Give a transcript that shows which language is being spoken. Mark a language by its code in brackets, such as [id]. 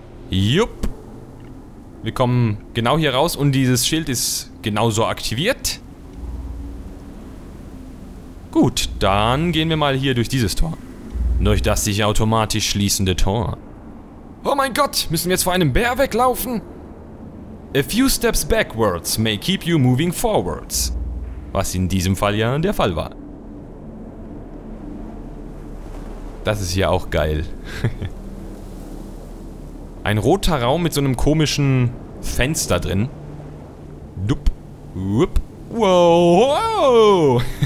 [de] Jupp. Wir kommen genau hier raus und dieses Schild ist genauso aktiviert. Gut, dann gehen wir mal hier durch dieses Tor. Durch das sich automatisch schließende Tor. Oh mein Gott, müssen wir jetzt vor einem Bär weglaufen? [en] A few steps backwards may keep you moving forwards. [de] Was in diesem Fall ja der Fall war. Das ist ja auch geil. Ein roter Raum mit so einem komischen Fenster drin. Dupp. Wupp. Wow.